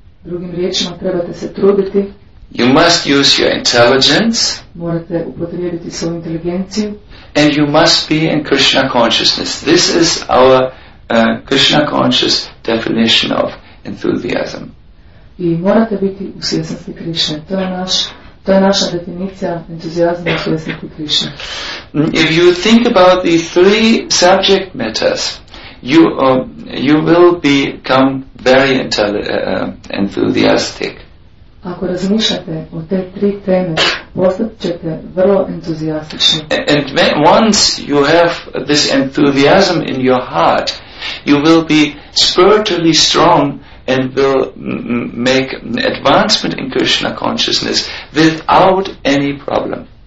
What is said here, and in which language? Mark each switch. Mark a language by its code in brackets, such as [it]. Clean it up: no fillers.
[hr] Drugim riječima, trebate se truditi. [en] You must use your intelligence. [hr] Morate upotrijebiti svoju inteligenciju. [en] And you must be in Krishna consciousness. This is our Krishna conscious definition of enthusiasm. [hr] I morate biti u svjesnosti Krishna. To je naša definicija entuzijazma u svjesnosti Krishna. [en] If you think about the three subject matters, you will become very enthusiastic. [hr] Ako razmišljate o te tri teme, postat ćete vrlo entuzijastični. [en] And once you have this enthusiasm in your heart, you will be spiritually strong and will make advancement in Krishna consciousness without any problem.